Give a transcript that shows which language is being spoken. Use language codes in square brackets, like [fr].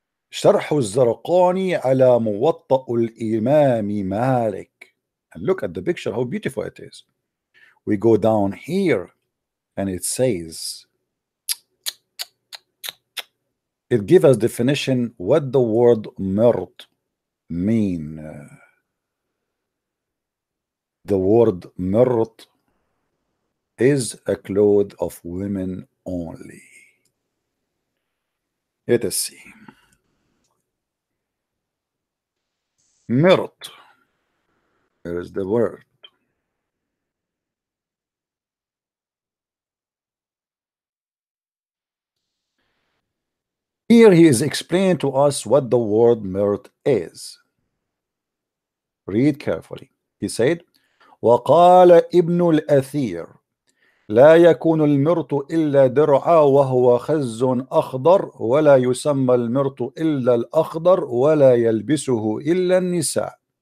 [ar] شرح الزرقاني على موطأ الإمام مالك. [en] And look at the picture, how beautiful it is. We go down here and it says, it gives us definition what the word mirt mean. The word mirt is a cloth of women only. Let us see. Mirt. Where is the word? Here he is explaining to us what the word mirt is. Read carefully. He said, [ar] وقال ابن الأثير لا يكون المرت إلا درعا وهو خز أخضر ولا يسمى المرت إلا الأخضر ولا يلبسه إلا النساء.